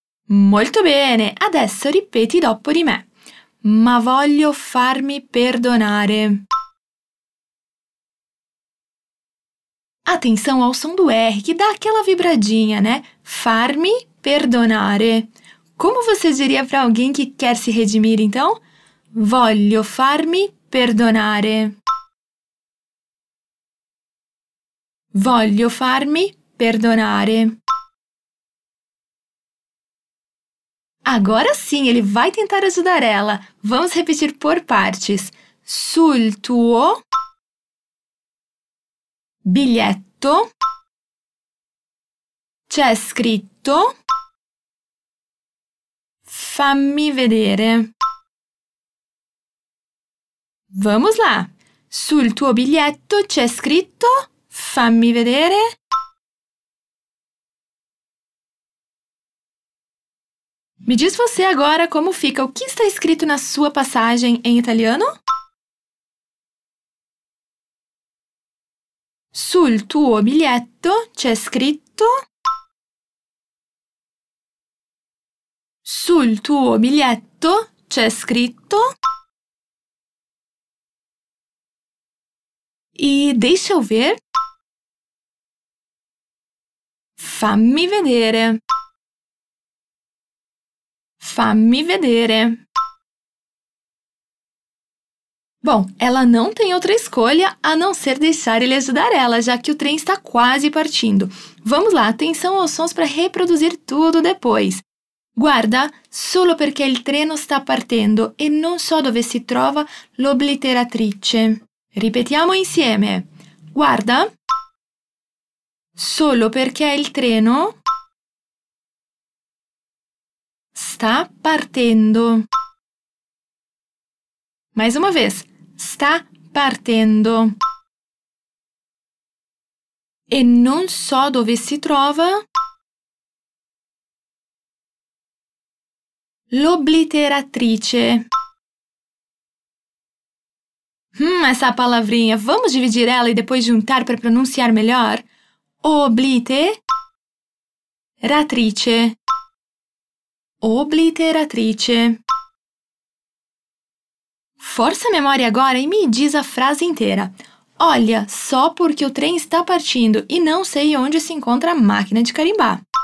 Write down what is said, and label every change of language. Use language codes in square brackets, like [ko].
[it] Molto bene, adesso ripeti dopo di me. Ma voglio farmi perdonare. [pt] Atenção ao som do R, che dà aquela vibradinha, né? [it] Farmi perdonare. [pt] Come você diria para alguém che quer se redimir, então? [it] Voglio farmi perdonare. Voglio farmi perdonare. [pt] Agora sim, ele vai tentar ajudar ela. Vamos repetir por partes. [it] Sul tuo biglietto c'è scritto fammi vedere. [pt] Vamos lá. [it] Sul tuo biglietto c'è scritto fammi vedere. [pt] Me diz você agora como fica o que está escrito na sua passagem em italiano? [it] Sul tuo biglietto c'è scritto. Sul tuo biglietto c'è scritto. [pt] E deixa eu ver. [it] Fammi vedere. Fammi vedere. [pt] Bom, ela não tem outra escolha a não ser deixar ele ajudar ela, já que o trem está quase partindo. Vamos lá, atenção aos sons para reproduzir tudo depois. [it] Guarda, solo perché il treno sta partendo e non so dove si trova l'obliteratrice. Ripetiamo insieme. Guarda. Solo perché il treno sta partendo. [pt] Mais uma vez. [it] Sta partendo. E non so dove si trova l'obliteratrice. [pt] Essa palavrinha. Vamos dividir ela e depois juntar para pronunciar melhor? [it] Obliteratrice. Obliteratrice. [pt] Força a memória agora e me diz a frase inteira. Olha, só porque o trem está partindo e não sei onde se encontra a máquina de carimbar.